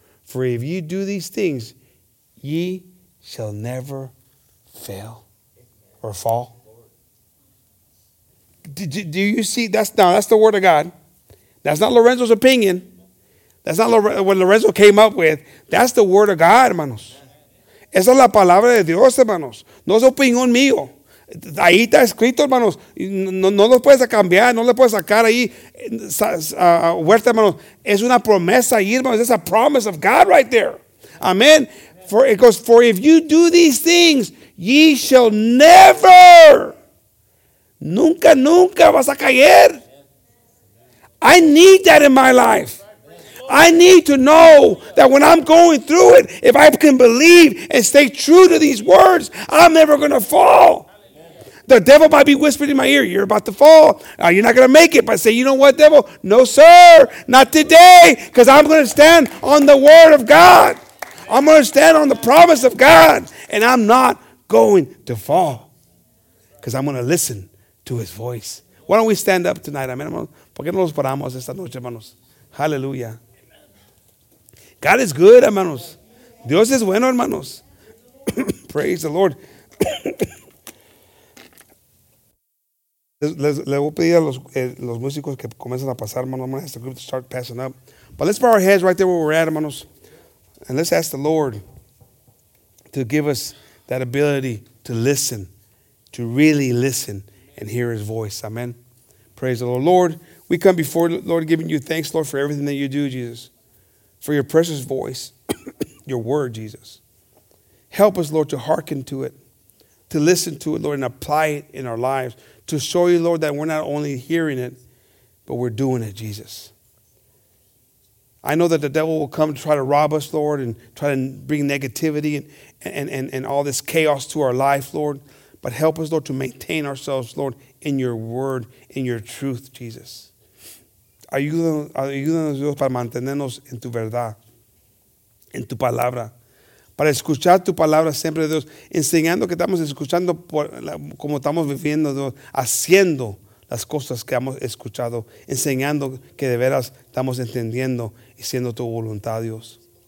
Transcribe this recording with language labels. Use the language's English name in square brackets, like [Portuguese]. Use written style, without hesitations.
[English] For if ye do these things, ye shall never fail or fall. Do you see? That's the word of God. That's not Lorenzo's opinion. That's not what Lorenzo came up with. That's the word of God, hermanos. [Spanish] Esa es la palabra de Dios, hermanos. No es opinión mío. Ahí está escrito, hermanos. No lo puedes cambiar. No lo puedes sacar ahí. Huerta, hermanos. Es una promesa ahí, hermanos. [English] It's a promise of God right there. Amen. For if you do these things, ye shall never. [Spanish] Nunca, nunca vas a caer. [English] I need that in my life. I need to know that when I'm going through it, if I can believe and stay true to these words, I'm never going to fall. Hallelujah. The devil might be whispering in my ear, you're about to fall. You're not going to make it. But I say, you know what, devil? No, sir, not today, because I'm going to stand on the word of God. I'm going to stand on the promise of God, and I'm not going to fall because I'm going to listen to his voice. Why don't we stand up tonight? Amen, hermanos. [Spanish] ¿Por qué no nos paramos esta noche, hermanos? [English] Hallelujah. God is good, hermanos. [Spanish] Dios es bueno, hermanos. [English] Praise the Lord. [Spanish] Le voy a pedir a los músicos que comiencen a pasar, hermanos. [English] I'm going to ask the group to start passing up. But let's bow our heads right there where we're at, hermanos. And let's ask the Lord to give us that ability to listen, to really listen and hear his voice. Amen. Praise the Lord. Lord, we come before the Lord giving you thanks, Lord, for everything that you do, Jesus. For your precious voice, your word, Jesus. Help us, Lord, to hearken to it, to listen to it, Lord, and apply it in our lives, to show you, Lord, that we're not only hearing it, but we're doing it, Jesus. I know that the devil will come to try to rob us, Lord, and try to bring negativity and all this chaos to our life, Lord. But help us, Lord, to maintain ourselves, Lord, in your word, in your truth, Jesus. [Spanish] Ayúdanos, Dios, para mantenernos en tu verdad, en tu palabra, para escuchar tu palabra siempre, Dios, enseñando que estamos escuchando como estamos viviendo, Dios, haciendo las cosas que hemos escuchado, enseñando que de veras estamos entendiendo y siendo tu voluntad, Dios.